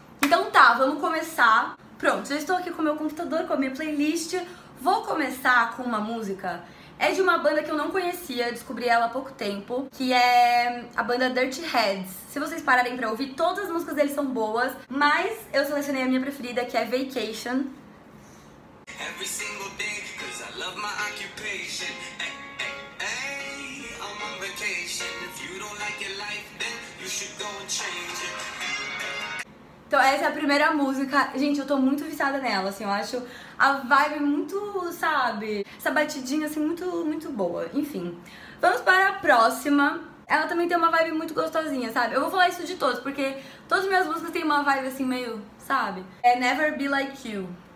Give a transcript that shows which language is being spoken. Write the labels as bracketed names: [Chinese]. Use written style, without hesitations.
[Portuguese] Então tá, vamos começar. Pronto, já estou aqui com o meu computador, com a minha playlist. Vou começar com uma música. É de uma banda que eu não conhecia, descobri ela há pouco tempo, que é a banda Dirty Heads. Se vocês pararem pra ouvir, todas as músicas deles são boas, mas eu selecionei a minha preferida, que é Vacation. [English] Every single day, cause I love my occupation. Hey, hey, hey, I'm on vacation. If you don't like your life, then you should go and change it. [Portuguese] Então essa é a primeira música, gente, eu tô muito viciada nela, assim, eu acho a vibe muito, sabe, essa batidinha, assim, muito, muito boa, enfim. Vamos para a próxima, ela também tem uma vibe muito gostosinha, sabe, eu vou falar isso de todos, porque todas as minhas músicas têm uma vibe, assim, meio, sabe, é Never Be Like You.